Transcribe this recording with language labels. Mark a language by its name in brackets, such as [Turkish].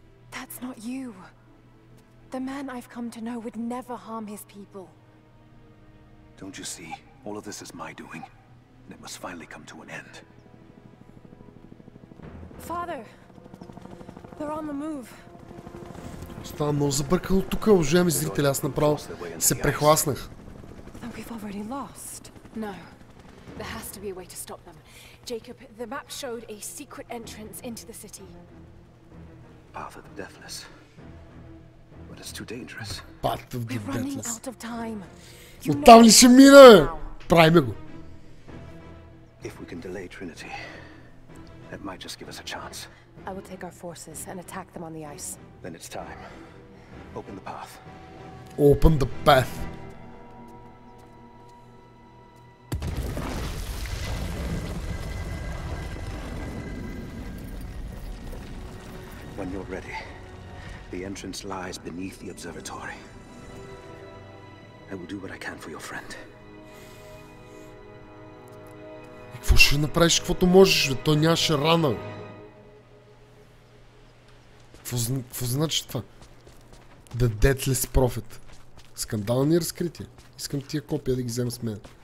[English] That's not you. The man I've come to know would never harm his people. Don't you see? All of this is my doing, and it must finally come to an end. Father, they're on the move. [Bulgarian] Става много забъркало тук, уважаеми зрители, аз направо се прехласнах. [English] Then we've already lost. No. There has to be a way to stop them. Jacob, the map showed a secret entrance into the city. Path of the Deathless. But it's too dangerous. Path of the We're Deathless. Out of time. [Bulgarian] Оттам ли ще мина? Правиме го. [English] If we can delay Trinity, that might just give us a chance. I will take our forces and attack them on the ice. Then it's time. Open the path. Open the path. When you're ready, the entrance lies beneath the observatory. I will do what I can for your friend. [Bulgarian] И какво ще направиш, каквото можеш, бе? Той нямаше рана. Какво значи това? The Deathless Prophet. Скандални разкрития. Искам тия копия да ги взема с мен.